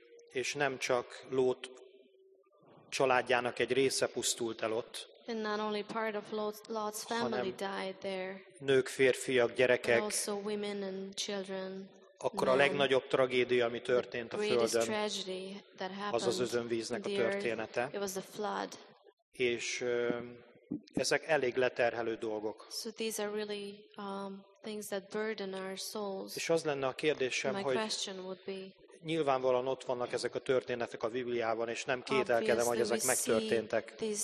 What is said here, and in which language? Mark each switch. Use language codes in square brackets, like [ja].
[hu] És nem csak Lót családjának egy része pusztult el ott. [en] And not only part of Lot's family died there. [hu] Nők, férfiak, gyerekek. [en] Also women and children. [hu] Akkor a legnagyobb tragédia, ami történt a Földön, [en] tragedy that happened, [hu] az az özönvíznek a története. [en] It was the flood. [hu] És ezek elég leterhelő dolgok. [en] So these are really things that burden our souls. [hu] És az lenne a kérdésem, [en] my [hu] hogy [en] question would be, [hu] nyilvánvalóan ott vannak ezek a történetek a Bibliában, és nem kételkedem, hogy ezek megtörténtek.